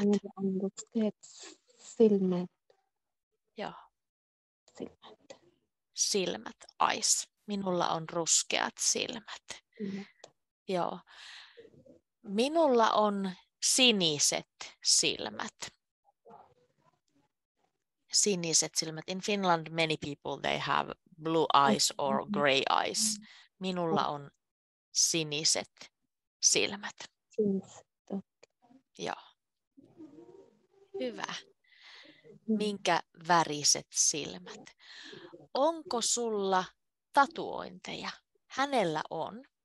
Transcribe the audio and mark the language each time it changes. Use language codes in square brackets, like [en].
[fi] Minulla on ruskeat silmät. Joo. Silmät. Silmät, eyes. Minulla on ruskeat silmät. Silmät. Joo. Minulla on siniset silmät. Siniset silmät. [en] In Finland many people they have blue eyes or gray eyes. [fi] Minulla on siniset silmät. Joo. Hyvä. Minkä väriset silmät? Onko sulla tatuointeja? Hänellä on.